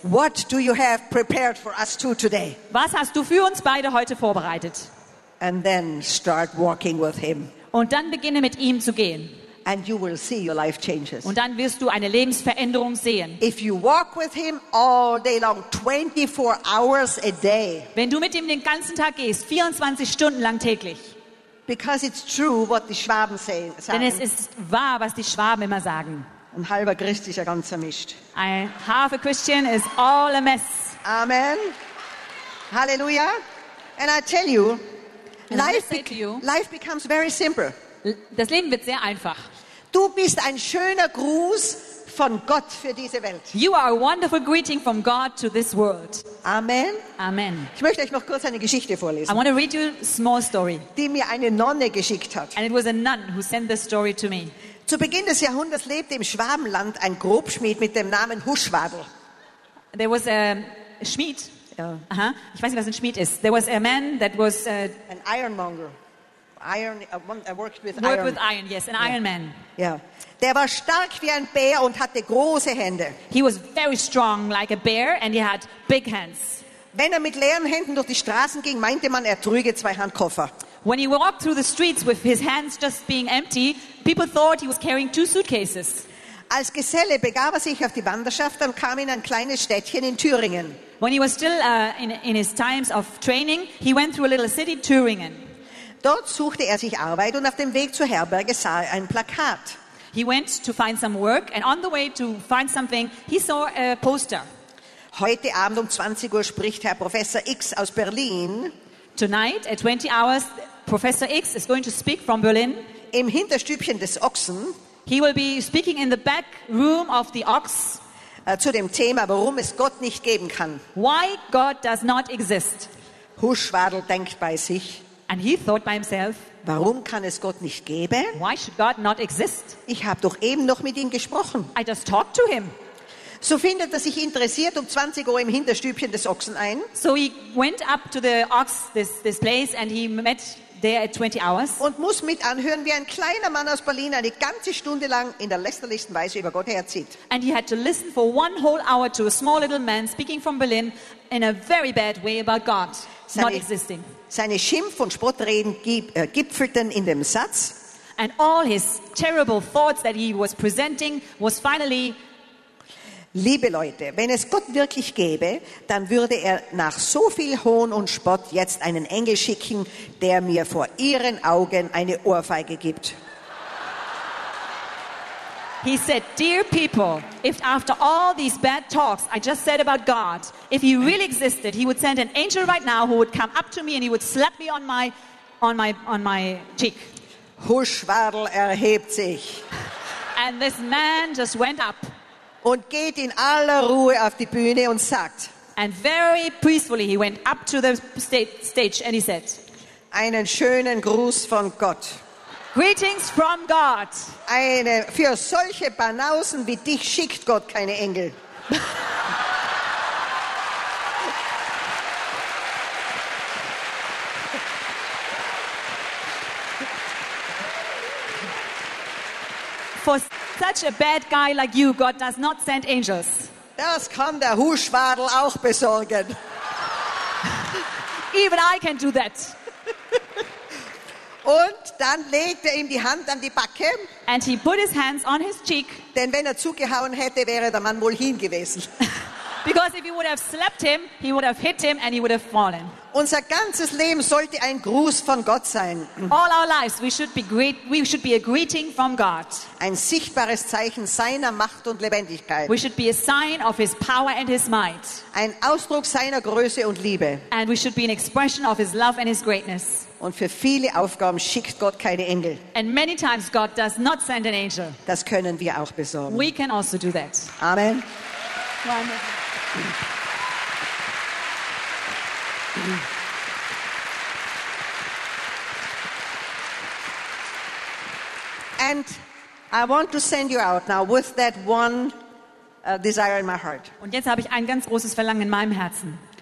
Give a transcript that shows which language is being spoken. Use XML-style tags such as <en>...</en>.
<en>what do you have prepared for us two today?</en> <de>Was hast du für uns beide heute vorbereitet?</de> <en>And then start walking with him.</en> <de>Und dann beginne mit ihm zu gehen.</de> <en>And you will see your life changes.</en> <de>Und dann wirst du eine Lebensveränderung sehen.</de> <en>If you walk with him all day long, 24 hours a day.</en> <de>Wenn du mit ihm den ganzen Tag gehst, 24 Stunden lang täglich.</de> <en>Because it's true what the Schwaben say,</en> <de>sagen. Denn es ist wahr, was die Schwaben immer sagen. Ein halber Christ ist ja ganz vermischt.</de> <en>A half a Christian is all a mess. Amen. Hallelujah. And I tell you, life becomes very simple.</en> <de>Das Leben wird sehr einfach. Du bist ein schöner Gruß von Gott für diese Welt.</de> <en>You are a wonderful greeting from God to this world.</en> <de>Amen.</de> <en>Amen.</en> <de>Ich möchte euch noch kurz eine Geschichte vorlesen.</de> <en>I want to read you a small story.</en> <de>Die mir eine Nonne geschickt hat.</de> <en>And it was a nun who sent this story to me.</en> <de>Zu Beginn des Jahrhunderts lebte im Schwabenland ein Grobschmied mit dem Namen Huschwabel.</de> <en>There was a</en> <de>Schmied. Yeah. Ich weiß nicht, was ein Schmied ist.</de> <en>There was a man that was an ironmonger. Iron, worked with iron, yes, an iron man. Yeah.</en> <de>Der war stark wie ein Bär und hatte große Hände.</de> <en>He was very strong like a bear and he had big hands.</en> <de>Wenn er mit leeren Händen durch die Straßen ging, meinte man, er trüge zwei Handkoffer.</de> <en>When he walked through the streets with his hands just being empty, people thought he was carrying two suitcases.</en> <de>Als Geselle begab er sich auf die Wanderschaft und kam in ein kleines Städtchen in Thüringen.</de> <en>When he was still in his times of training, he went through a little city, Thüringen.</en> <de>Dort suchte er sich Arbeit und auf dem Weg zur Herberge sah er ein Plakat.</de> <en>He went to find some work and on the way to find something he saw a poster.</en> <de>Heute Abend um 20 Uhr spricht Herr Professor X aus Berlin.</de> <en>Tonight at 20 hours Professor X is going to speak from Berlin.</en> <de>Im Hinterstübchen des Ochsen.</de> <en>He will be speaking in the back room of the ox.</en> <de>Zu dem Thema, warum es Gott nicht geben kann.</de> <en>Why God does not exist.</en> <de>Huschwadel denkt bei sich.</de> <en>And he thought by himself,</en> <de>warum kann es Gott nicht geben?</de> <en>Why should God not exist?</en> <de>Ich habe doch eben noch mit ihm gesprochen.</de> <en>I just talked to him.</en> <de>So findet er sich interessiert um 20 Uhr im Hinterstübchen des Ochsen ein.</de> <en>So he went up to the ox, this place, and he met there at 20 hours.</en> <de>Und muss mit anhören, wie ein kleiner Mann aus Berlin eine ganze Stunde lang in der lästerlichsten Weise über Gott herzieht.</de> <en>And he had to listen for one whole hour to a small little man speaking from Berlin in a very bad way about God not existing.</en> <de>Seine Schimpf- und Spottreden gipfelten in dem Satz.</de> <en>And all his terrible thoughts that he was presenting was finally.</en> <de>Liebe Leute, wenn es Gott wirklich gäbe, dann würde er nach so viel Hohn und Spott jetzt einen Engel schicken, der mir vor ihren Augen eine Ohrfeige gibt.</de> <en>He said, dear people, if after all these bad talks I just said about God, if he really existed, he would send an angel right now who would come up to me and he would slap me on my cheek.</en> <de>Huschwadel erhebt sich.</de> <en>And this man just went up.</en> <de>Und geht in aller Ruhe auf die Bühne und sagt.</de> <en>And very peacefully he went up to the stage and he said.</en> <de>Einen schönen Gruß von Gott.</de> <en>Greetings from God.</en> <de>Für solche Banausen wie dich schickt Gott keine Engel.</de> <en>For such a bad guy like you, God does not send angels.</en> <de>Das kann der Huschwadel auch besorgen.</de> <en>Even I can do that.</en> <de>Und dann legte er ihm die Hand an die Backe.</de> <en>And he put his hands on his cheek.</en> <de>Denn wenn er zugehauen hätte, wäre der Mann wohl hingewesen.</de> <en>Because if you would have slapped him, he would have hit him and he would have fallen.</en> <de>Unser ganzes Leben sollte ein Gruß von Gott sein.</de> <en>All our lives we should be a greeting from God.</en> <de>Ein sichtbares Zeichen seiner Macht und Lebendigkeit.</de> <en>We should be a sign of his power and his might.</en> <de>Ein Ausdruck seiner Größe und Liebe.</de> <en>And we should be an expression of his love and his greatness.</en> <de>Und für viele Aufgaben schickt Gott keine Engel.</de> <en>And many times God does not send an angel.</en> <de>Das können wir auch besorgen.</de> <en>We can also do that.</en> <de>Amen.</de> <en>And I want to send you out now with that one desire in my heart.</en> <de>Und jetzt habe ich ein ganz großes Verlangen in meinem Herzen.</de>